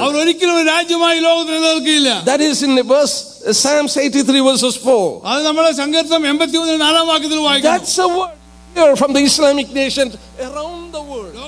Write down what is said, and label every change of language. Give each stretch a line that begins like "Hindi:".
Malayalam: അവർ ഒരിക്കലും ഒരു രാജ്യമായി ലോകത്ത് നിലനിൽക്കില്ല.
English: That is in verse Psalms 83 verses 4.
Malayalam: അത് നമ്മുടെ സങ്കീർത്തനം 83 നാലാം വാക്യത്തിൽ വായിക്കാം.
English: That's a word here from the Islamic nations around the world.